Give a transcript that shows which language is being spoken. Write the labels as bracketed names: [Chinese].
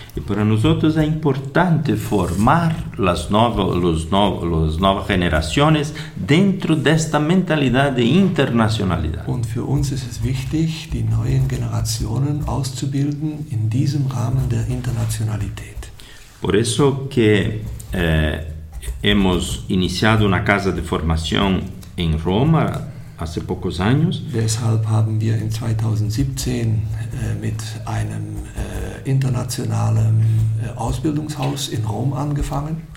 [Spanish] Y para nosotros es importante formar las nuevas generaciones dentro de esta mentalidad de internacionalidad. [German] Und für uns ist es wichtig, die neuen Generationen auszubilden in diesem Rahmen der Internationalität. [Spanish] Por eso que hemos iniciado una casa de formación en Roma hace pocos años. [German] Deshalb haben wir in 2017 mit einem internationalen Ausbildungshaus in Rom angefangen.